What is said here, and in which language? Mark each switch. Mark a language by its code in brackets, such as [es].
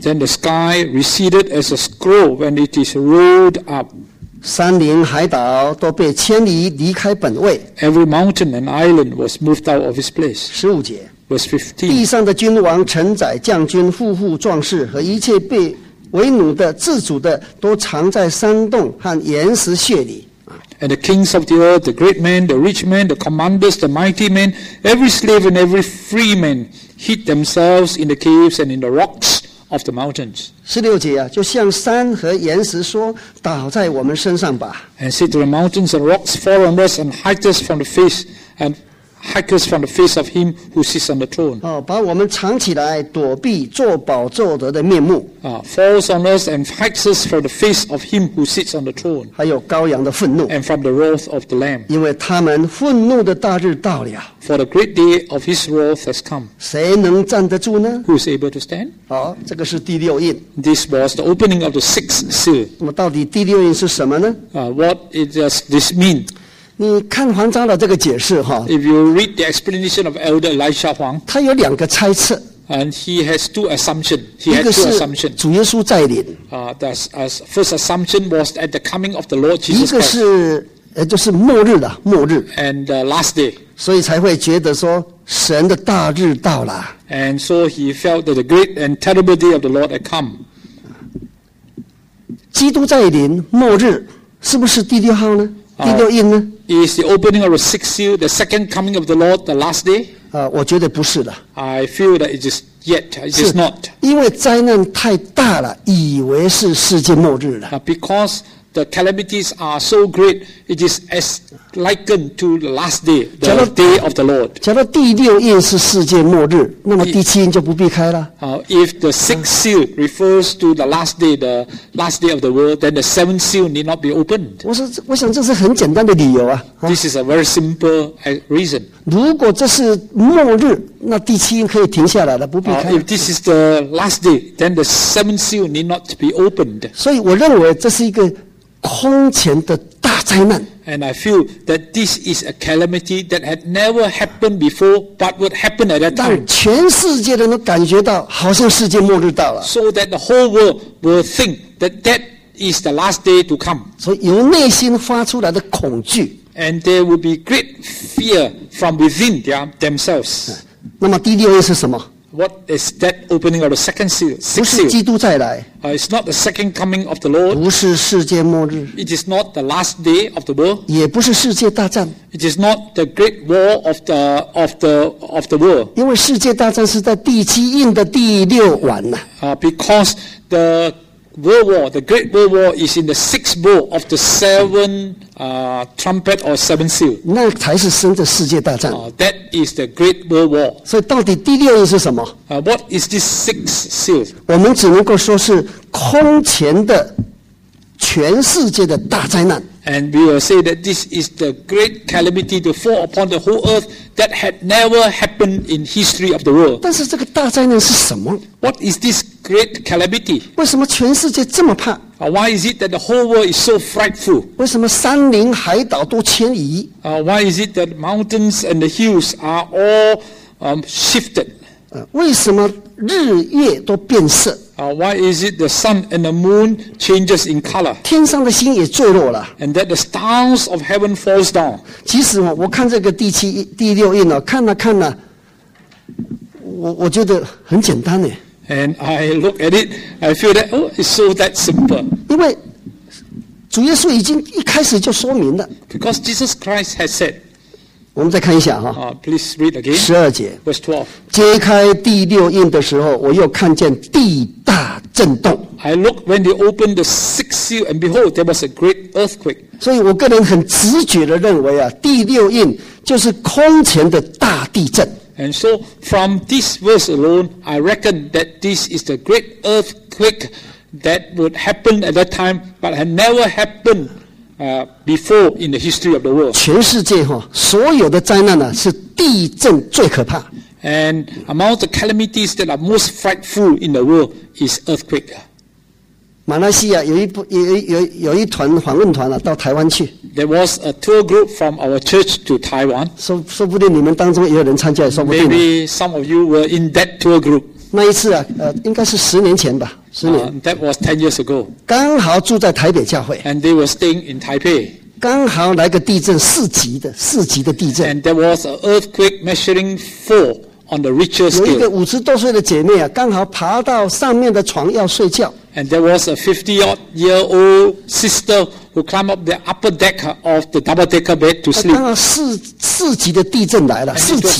[en] Then the sky receded as a scroll when it is rolled up. [zh] 山林海岛都被迁移离开本位。 [en] Every mountain and island was moved out of its place. [zh] 十五节。 [en] Verse 15. [zh] 地上的君王、臣宰、将军、富户、壮士和一切被为奴的、自主的，都藏在山洞和岩石穴里。 [en] And the kings of the earth, the great men, the rich men, the commanders, the mighty men, every slave and every free man hid themselves in the caves and in the rocks of the mountains. [zh] 16节啊，就向山和岩石说，倒在我们身上吧。 [en] And said to the mountains and rocks, fall on us and hide us from the face and hide us from the face of him who sits on the throne. [zh] 哦，把我们藏起来，躲避作宝作德的面目。 [en] Falls on us and hides us from the face of him who sits on the throne. [zh] 还有羔羊的愤怒。 [en] And from the wrath of the lamb. [zh] 因为他们愤怒的大日到了。 [en] For the great day of his wrath has come. [zh] 谁能站得住呢？ [en] Who is able to stand? [zh] 好，这个是第六印。 [en] This was the opening of the sixth seal. [zh] 那么到底第六印是什么呢？ [en] What does this mean? [zh] 你看黄长老这个解释哈。 [en] If you read the explanation of Elder Elisha Huang, [zh] 他有两个猜测。 [en] And he has two assumptions. He had two assumptions. [zh] 主耶稣再临。 [en] First assumption was at the coming of the Lord Jesus Christ. [zh] 一个是就是末日的末日。 [en] And the last day. [zh] 所以才会觉得说神的大日到了。 [en] And so he felt that the great and terrible day of the Lord had come. [zh] 基督再临末日是不是第六号呢？第六印呢？ [en] Is the opening of the sixth seal the second coming of the Lord the last day? [zh] 我觉得不是的。 [en] I feel that it is yet, it is not. [zh] 因为灾难太大了，以为是世界末日了。 [en] Because the calamities are so great, it is as likened to the last day, the day of the Lord. [zh] 假如第六印是世界末日，那么第七印就不必开了。 [en] If the sixth seal refers to the last day of the world, then the seventh seal need not be opened. [zh] 我想这是很简单的理由啊。 [en] This is a very simple reason. [zh] 如果这是末日，那第七印可以停下来了，不必开了。 [en] If this is the last day, then the seventh seal need not be opened. [zh] 所以我认为这是一个空前的大灾难。 [en] And I feel that this is a calamity that had never happened before, but would happen at that time. [zh] 让全世界人都感觉到好像世界末日到了。 [en] So that the whole world will think that that is the last day to come. [zh] 所以由内心发出来的恐惧。 [en] And there will be great fear from within themselves. [zh] 那么第六印是什么？ [en] What is that opening of the second seal? [zh] 不是基督再来。 [en] It's not the second coming of the Lord. [zh] 不是世界末日。 [en] It is not the last day of the world. [zh] 也不是世界大战。 [en] It is not the great war of the world. [zh] 因为世界大战是在第七印的第六晚呐。 [en] Because the world war, the great world war, is in the sixth bowl of the seven trumpet or seven seal. [zh] 那才是真的世界大战。 [en] That is the great world war. [zh] 所以到底第六印是什么？ [en] What is this sixth seal? [zh] 我们只能够说是空前的全世界的大灾难。 [en] And we will say that this is the great calamity to fall upon the whole earth that had never happened in history of the world. [zh] 但是这个大灾难是什么？ [en] What is this great calamity? [zh] 为什么全世界这么怕？ [en] Why is it that the whole world is so frightful? [zh] 为什么山林海岛都迁移？ [en] Why is it that mountains and the hills are all shifted? [zh] 为什么日月都变色？ [en] Why is it the sun and the moon changes in color? [zh] 天上的星也坠落了。 [en] And that the stars of heaven falls down. [zh] 其实我看这个第六印看了看了，我觉得很简单耶。 [en] And I look at it, I feel that, it's so that simple. [zh] 因为主耶稣已经一开始就说明了。 [en] Because Jesus Christ has said, [zh] 我们再看一下哈， [en] please read again. [zh] 十二节 [en] ，verse 12。 [zh] 揭开第六印的时候，我又看见地大震动。 [en] I looked when they opened the sixth seal, and behold, there was a great earthquake. [zh] 所以我个人很直觉的认为啊，第六印就是空前的大地震。 [en] And so from this verse alone, I reckon that this is the great earthquake that would happen at that time, but had never happened. Before in the history of the world. [zh] 全世界齁，所有的灾难呢，是地震最可怕。 [en] And among the calamities that are most frightful in the world is earthquake. [zh] 马来西亚有一团访问团到台湾去。 [en] There was a tour group from our church to Taiwan. [zh] 说不定你们当中也有人参加，说不定。 [en] Maybe some of you were in that tour group. [zh] 那一次应该是十年前吧。 [en] That was 10 years ago. [zh] 刚好住在台北教会。 [en] And they were staying in Taipei. [zh] 刚好来个地震，四级的地震。 [en] And there was an earthquake measuring 4 on the Richter scale. [zh] 有一个50多岁的姐妹刚好爬到上面的床要睡觉。 [en] And there was a 50-odd-year-old sister who climb up the upper deck of the double decker bed to sleep. [zh] 四级的地震来了，四级。It